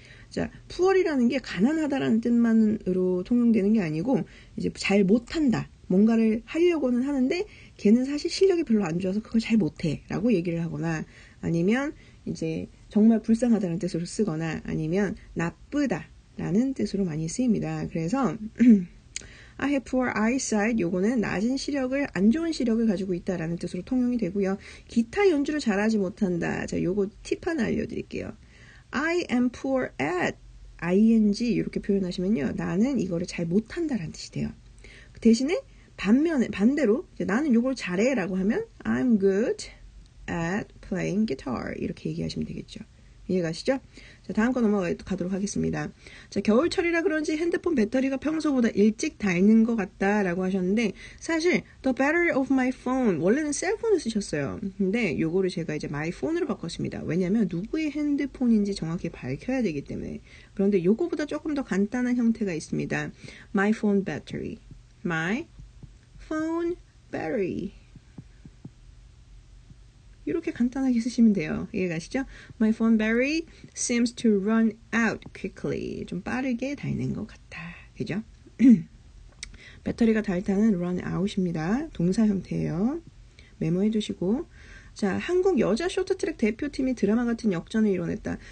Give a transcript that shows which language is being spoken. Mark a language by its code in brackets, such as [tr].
[ko] 자, poor이라는 게 가난하다라는 뜻만으로 통용되는 게 아니고, 이제 잘 못한다. 뭔가를 하려고는 하는데, 걔는 사실 실력이 별로 안 좋아서 그걸 잘 못해. 라고 얘기를 하거나, 아니면, 이제, 정말 불쌍하다는 뜻으로 쓰거나, 아니면, 나쁘다라는 뜻으로 많이 쓰입니다. 그래서, [en] I have poor eyesight. [ko] 요거는 낮은 시력을, 안 좋은 시력을 가지고 있다라는 뜻으로 통용이 되고요. 기타 연주를 잘하지 못한다. 자, 요거 팁 하나 알려드릴게요. [en] I am poor at ing. [ko] 이렇게 표현하시면요. 나는 이거를 잘 못한다라는 뜻이 돼요. 대신에, 반면에, 반대로, 이제 나는 요걸 잘해 라고 하면, [en] I'm good at playing guitar. [ko] 이렇게 얘기하시면 되겠죠. 이해가시죠? 자, 다음 거 넘어가도록 하겠습니다. 자, 겨울철이라 그런지 핸드폰 배터리가 평소보다 일찍 닳는 것 같다라고 하셨는데, 사실, [en] the battery of my phone. [ko] 원래는 셀폰을 쓰셨어요. 근데 요거를 제가 이제 my phone으로 바꿨습니다. 왜냐면, 누구의 핸드폰인지 정확히 밝혀야 되기 때문에. 그런데 요거보다 조금 더 간단한 형태가 있습니다. [en] my phone battery. My phone battery. [ko] 이렇게 간단하게 쓰시면 돼요. 이해가시죠? [en] My phone battery seems to run out quickly. [ko] 좀 빠르게 닳는 것 같아. 그죠? 배터리가 닳다는 run out입니다. 동사 형태예요. 메모해 두시고. 자, 한국 여자 쇼트트랙 대표팀이 드라마 같은 역전을 이뤄냈다.